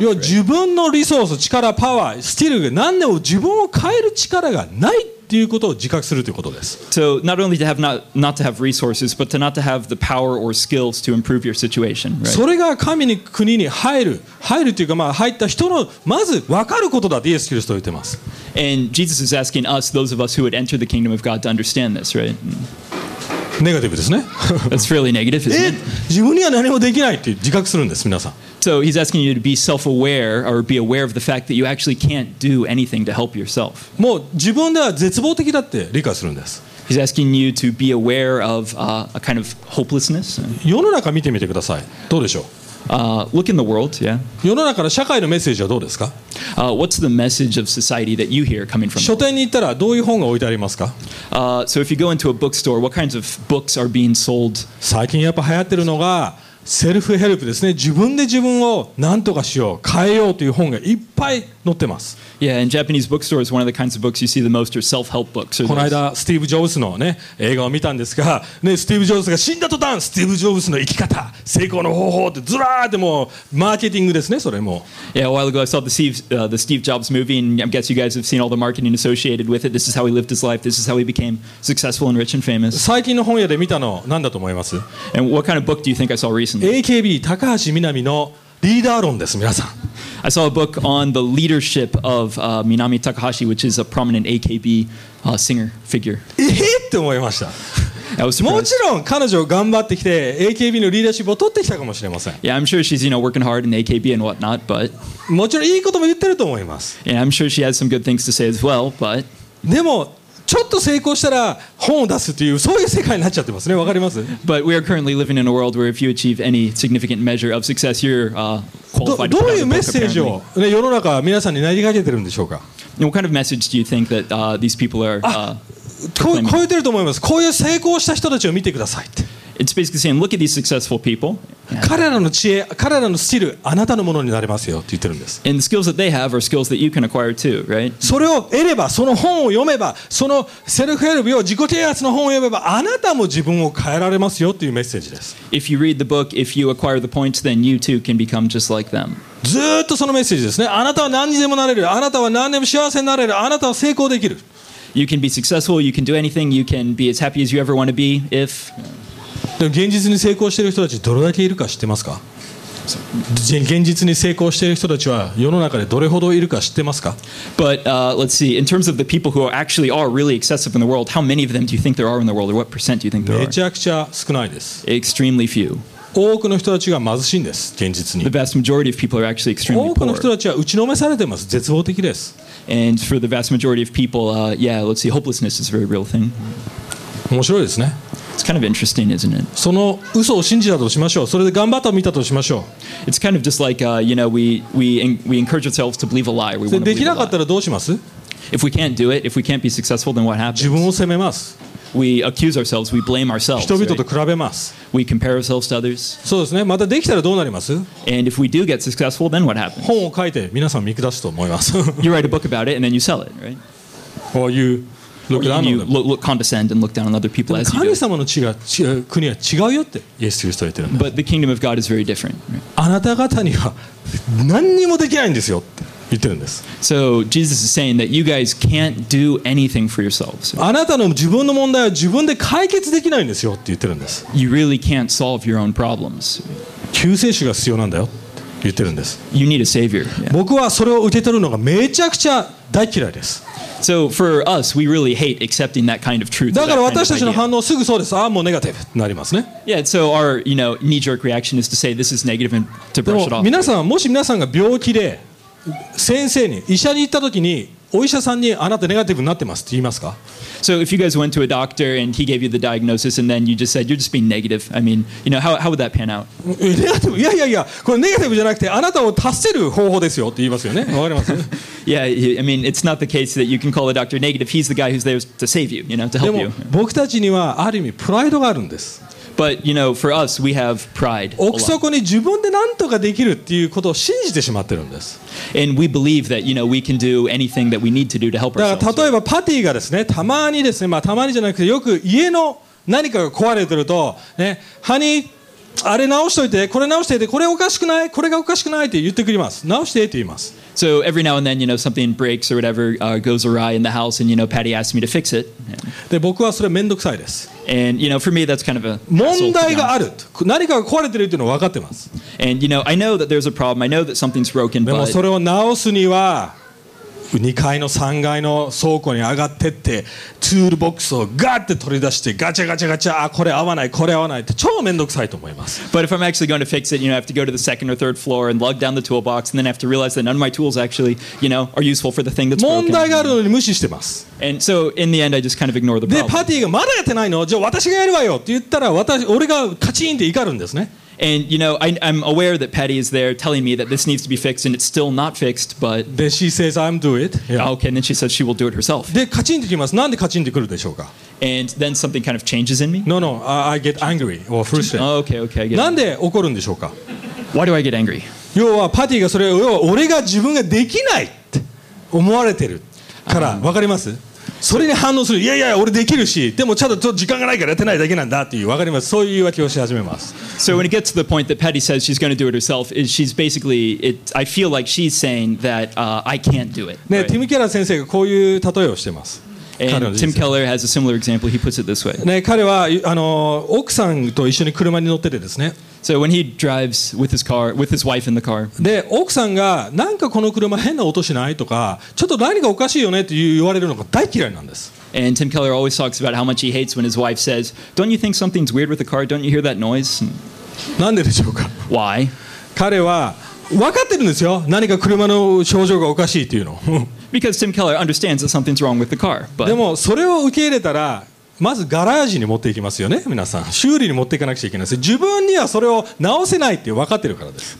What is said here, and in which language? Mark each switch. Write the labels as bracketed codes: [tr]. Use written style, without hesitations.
[ja] いや、自分のリソース、力、パワー、スキル、何でも自分を変える力がないということを自覚するということです。 [en] So, not only to have not to have resources, but to not to have the power or skills to improve your situation, right? [ja] それが神に国に入るというか、まあ、入った人のまず分かることだとイエス・キリストは言ってます。 [en] And Jesus is asking us, those of us who would enter the kingdom of God, to understand this, right? [ja] ネガティブですね。 [en] That's fairly negative, isn't it? [ja] 自分には何もできないって自覚するんです、皆さん。 [en] So he's asking you to be self-aware or be aware of the fact that you actually can't do anything to help yourself. [ja] もう自分では絶望的だって理解するんです。 [en] He's asking you to be aware of a kind of hopelessness. [ja] 世の中見てみてください。どうでしょう？ [en] Look in the world, yeah. [ja] 世の中の社会のメッセージはどうですか？ [en] What's the message of society that you hear coming from? [ja] 書店に行ったらどういう本が置いてありますか？ [en] So if you go into a bookstore, what kinds of books are being sold? [ja] 最近やっぱ流行ってるのがセルフヘルプですね。自分で自分を何とかしよう、変えようという本がいっぱい載ってます。 [en] Yeah, in Japanese bookstores, one of the kinds of books you see the most are self-help books. [ja] この間、スティーブ・ジョブズのね、映画を見たんですが、ね、スティーブ・ジョブズが死んだ途端、スティーブ・ジョブズの生き方、成功の方法ってずらーってもうマーケティングですね、それも。 [en] Yeah, a while ago I saw the Steve Jobs movie, and I guess you guys have seen all the marketing associated with it. This is how he lived his life. This is how he became successful and rich and famous. [ja] 最近の本屋で見たの何だと思います？ [en] And what kind of book do you think I saw recently? [ja] AKB 高橋みなみのリーダー論です、皆さん。 [en] I saw a book on the leadership of Minami Takahashi, which is a prominent AKB singer figure. [ja] って思いました。もちろん彼女頑張ってきて AKB のリーダーシップを取ってきたかもしれません。 [en] Yeah, I'm sure she's, you know, working hard in AKB and whatnot, but [ja] もちろんいいことも言ってると思います。 [en] Yeah, I'm sure she has some good things to say as well, but [ja] でもちょっと成功したら本を出すというそういう世界になっちゃってますね。わかります？ [en] But we are currently living in a world where if you achieve any significant measure of success, you're qualified to [ja] どういうメッセージを、ね、世の中皆さんに投げかけてるんでしょうか？ [en] What kind of message do you think that these people are proclaiming? [ja] 超えてると思います。こういう成功した人たちを見てくださいって。 [en] It's basically saying, look at these successful people. [ja] 彼らの知恵、彼らのスキル、あなたのものになれますよって言ってるんです。 [en] And the skills that they have are skills that you can acquire too, right? [ja] それを得れば、その本を読めば、そのセルフヘルプを自己啓発の本を読めば、あなたも自分を変えられますよっていうメッセージです。 [en] If you read the book, if you acquire the points, then you too can become just like them. [ja] ずっとそのメッセージですね。あなたは何にでもなれる。あなたは何でも幸せになれる。あなたは成功できる。 [en] You can be successful. You can do anything. You can be as happy as you ever want to be if... [ja] でも現実に成功している人たちどれだけいるか知ってますか？現実に成功している人たちは世の中でどれほどいるか知ってますか？ [en] But let's see, in terms of the people who are actually are really excessive in the world, how many of them do you think there are in the world, or what percent do you think there are? [ja] めちゃくちゃ少ないです。 [en] Extremely few. [ja] 多くの人たちが貧しいんです、現実に。 [en] The vast majority of people are actually extremely poor. [ja] 多くの人たちは打ちのめされてます、絶望的です。 [en] And for the vast majority of people, yeah, let's see, hopelessness is a very real thing. [ja] 面白いですね。 [en] It's kind of interesting, isn't it? [ja] その嘘を信じたとしましょう。それで頑張ったを見たとしましょう。 [en] It's kind of just like, you know, we encourage ourselves to believe a lie. We want to believe a lie. [ja] できなかったらどうします？ [en] If we can't do it, if we can't be successful, then what happens? [ja] 自分を責めます。 [en] We accuse ourselves, we blame ourselves. [ja] 人々と比べます。 [en] Right? We compare ourselves to others. [ja] そうですね。またできたらどうなります？ [en] And if we do get successful, then what happens? [ja] 本を書いて皆さん見下すと思います。 [en] You write a book about it, and then you sell it, right? Or you... Look down you look condescend and look down on other people as you do. [ja] 神様の国は違うよってイエス・キリストは言ってるんです。 [en] But the kingdom of God is very different. [ja] あなた方には何にもできないんですよって言ってるんです。 [en] So Jesus is saying that you guys can't do anything for yourselves. [ja] あなたの自分の問題は自分で解決できないんですよって言ってるんです。 [en] You really can't solve your own problems. [ja] 救世主が必要なんだよって言ってるんです。 [en] You need a savior. [ja] 僕はそれを受け取るのがめちゃくちゃ大嫌いです。 [en] So for us, we really hate accepting that kind of truth. [ja] だから私たちの反応すぐそうです。ああ、もうネガティブってなりますね。 [en] Yeah, so our, you know, knee-jerk reaction is to say this is negative and to brush it off. [ja] 皆さん、もし皆さんが病気で先生に医者に行った時に、お医者さんにあなたネガティブになってますって言いますか？ [en] So if you guys went to a doctor and he gave you the diagnosis and then you just said you're just being negative, I mean, you know, how would that pan out? [ja] ネガティブ？いやいやいや、これネガティブじゃなくてあなたを助ける方法ですよって言いますよね。わかります？ [en] Yeah, I mean, it's not the case that you can call a doctor negative. He's the guy who's there to save you, you know, to help you. [ja] でも僕たちにはある意味プライドがあるんです。 [en] But you know, for us, we have pride. [ja] 奥底に自分で何とかできるっていうことを信じてしまってるんです。 [en] And we believe that you know we can do anything that we need to do to help ourselves. [ja] だから例えばパティがですね、たまにですね、まあたまにじゃなくてよく家の何かが壊れてるとね、ハニー、あれ直しといて、これ直していて、これおかしくない、これがおかしくないって言ってくれます。直してって言います。 [en] So every now and then, you know, something breaks or whatever goes awry in the house, and you know, Patty asks me to fix it. [ja] で、僕はそれめんどくさいです。 [en] And you know, for me, that's kind of a [ja] 問題がある。何かが壊れてるっていうのは分かってます。 [en] And you know, I know that there's a problem. I know that something's broken. [ja] でもそれを直すには2階の3階の倉庫に上がってってツールボックスをガッて取り出してガチャガチャガチャ、あ、これ合わない、これ合わないって超めんどくさいと思います。 [en] But if I'm actually going to fix it, you know, I have to go to the second or third floor and lug down the toolbox and then I have to realize that none of my tools actually, you know, are useful for the thing that's broken. [ja] 問題があるのに無視してます。 [en] And so in the end, I just kind of ignore the problem. [ja] で、パティがまだやってないの？じゃあ私がやるわよって言ったら私、俺がカチンって怒るんですね。 [en] And you know, I'm aware that Patty is there telling me that this needs to be fixed, and it's still not fixed. But then she says, "I'm do it." Yeah. Okay. And then she says she will do it herself. [ja] で、カチンときます。なんでカチンってくるでしょうか？ [en] And then something kind of changes in me. No. I get angry or frustrated. Oh, okay. I get. [ja] なんで怒るんでしょうか？ [en] Why do I get angry? [ja] 要はパティがそれ、要は俺が自分ができないって思われてるから、わかります？それに反応する。いやいや、俺できるし、でもちょっと時間がないからやってないだけなんだっていう、わかります。そういう言い訳をし始めます。 [en] So when it gets to the point that Patty says she's going to do it herself, she's basically, I feel like she's saying that I can't do it. [ja] ね、ティム・ケラー先生がこういう例えをしてます。 [en] And Tim Keller has a similar example. He puts it this way. [ja] ね、彼は奥さんと一緒に車に乗っててですね。 [en] So when he drives with his car, with his wife in the car. [ja] で、奥さんがなんかこの車変な音しないとか、ちょっと何かおかしいよねって言われるのが大嫌いなんです。 [en] And Tim Keller always talks about how much he hates when his wife says, "Don't you think something's weird with the car? Don't you hear that noise?" [ja] なんででしょうか？ [en] Why? [ja] 彼は分かってるんですよ。何か車の症状がおかしいっていうの。 [en] Because Tim Keller understands that something's wrong with the car. But... [ja] でもそれを受け入れたら、まずガラージに持っていきますよね、皆さん。修理に持っていかなくちゃいけないです。自分にはそれを直せないって分かってるからです。